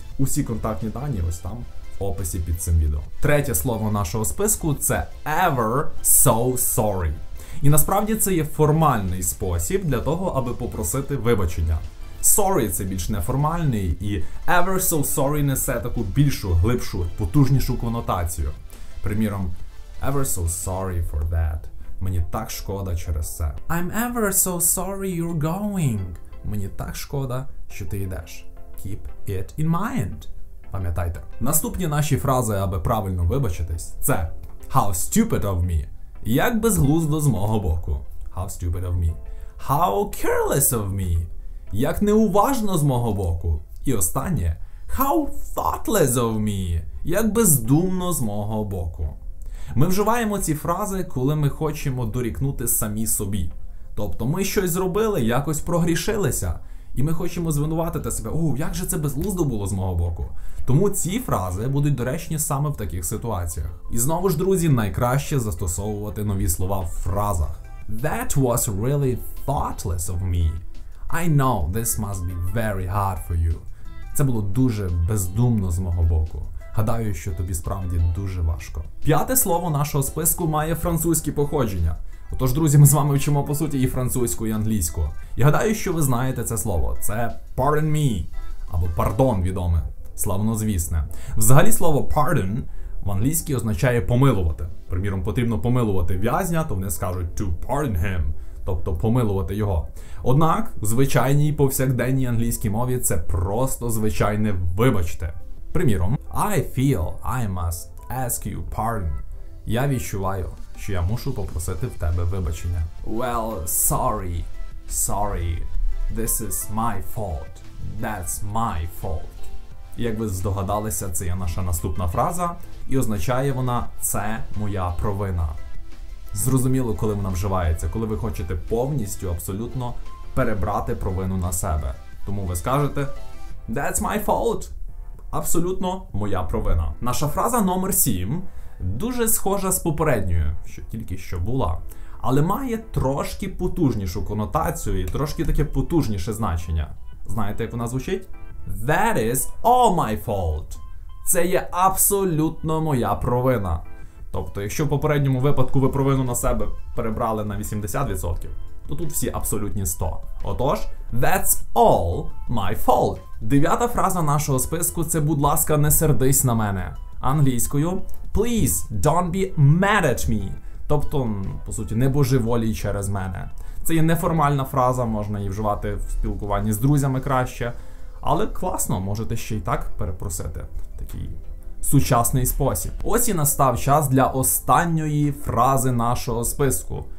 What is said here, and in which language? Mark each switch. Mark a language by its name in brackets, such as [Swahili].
[Ukrainian] Усі контактні дані ось там, в описі під цим відео. Третє слово нашого списку – це [English] ever so sorry. [Ukrainian] І насправді це є формальний спосіб для того, аби попросити вибачення. Sorry – це більш неформальний, і [English] ever so sorry [Ukrainian] несе таку більшу, глибшу, потужнішу конотацію. Приміром, [English] ever so sorry for that. [Ukrainian] Мені так шкода через це. [English] I'm ever so sorry you're going. [Ukrainian] Мені так шкода, що ти йдеш. [English] Keep it in mind. [Ukrainian] Пам'ятайте. Наступні наші фрази, аби правильно вибачитись, це [English] how stupid of me. [Ukrainian] Як безглуздо з мого боку. [English] How stupid of me. How careless of me. [Ukrainian] Як неуважно з мого боку. І останнє. [English] How thoughtless of me. [Ukrainian] Як бездумно з мого боку. Ми вживаємо ці фрази, коли ми хочемо дорікнути самі собі. Тобто ми щось зробили, якось прогрішилися. І ми хочемо звинуватити себе. О, як же це безглуздо було з мого боку. Тому ці фрази будуть доречні саме в таких ситуаціях. І знову ж, друзі, найкраще застосовувати нові слова в фразах. [English] That was really thoughtless of me. I know this must be very hard for you. [Ukrainian] Це було дуже бездумно з мого боку. Гадаю, що тобі справді дуже важко. П'яте слово нашого списку має французьке походження. Отож, друзі, ми з вами вчимо, по суті, і французьку, і англійську. І гадаю, що ви знаєте це слово. Це [English] pardon me, [Ukrainian] або pardon відоме, славнозвісне. Взагалі слово pardon в англійській означає помилувати. Приміром, потрібно помилувати в'язня, то вони скажуть [English] to pardon him. [Ukrainian] Тобто помилувати його. Однак, в звичайній повсякденній англійській мові це просто звичайне вибачте. Приміром, [English] I feel I must ask you pardon. [Ukrainian] Я відчуваю, що я мушу попросити в тебе вибачення. [English] Well, sorry. Sorry. This is my fault. That's my fault. [Ukrainian] Як ви здогадалися, це є наша наступна фраза, і означає вона «це моя провина». Зрозуміло, коли вона вживається, коли ви хочете повністю, абсолютно перебрати провину на себе. Тому ви скажете [English] «That's my fault!» [Ukrainian] Абсолютно моя провина. Наша фраза номер 7 дуже схожа з попередньою, що тільки що була, але має трошки потужнішу конотацію і трошки таке потужніше значення. Знаєте, як вона звучить? [English] That is all my fault. [Ukrainian] Це є абсолютно моя провина. Тобто, якщо в попередньому випадку ви провину на себе перебрали на 80%, то тут всі абсолютні 100%. Отож, [English] that's all my fault. [Ukrainian] Дев'ята фраза нашого списку – це «Будь ласка, не сердись на мене». Англійською [English] – «Please don't be mad at me». [Ukrainian] Тобто, по суті, «Не божеволій через мене». Це є неформальна фраза, можна її вживати в спілкуванні з друзями краще. Але класно, можете ще й так перепросити. Такий сучасний спосіб. Ось і настав час для останньої фрази нашого списку.